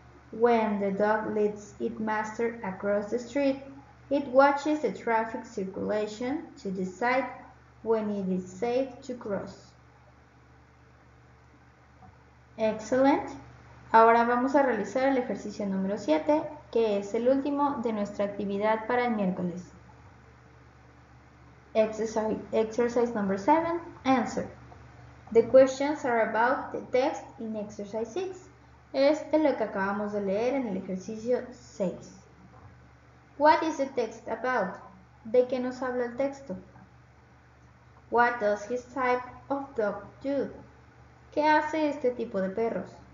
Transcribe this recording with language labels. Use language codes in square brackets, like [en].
[en] When the dog leads its master across the street, it watches the traffic circulation to decide when it is safe to cross. Excellent. [es] Ahora vamos a realizar el ejercicio número 7, que es el último de nuestra actividad para el miércoles. [en] Exercise number 7, answer. The questions are about the text in exercise 6. [es] Es de lo que acabamos de leer en el ejercicio 6. [en] What is the text about? [es] ¿De qué nos habla el texto? [en] What does his type of dog do? [es] ¿Qué hace este tipo de perros?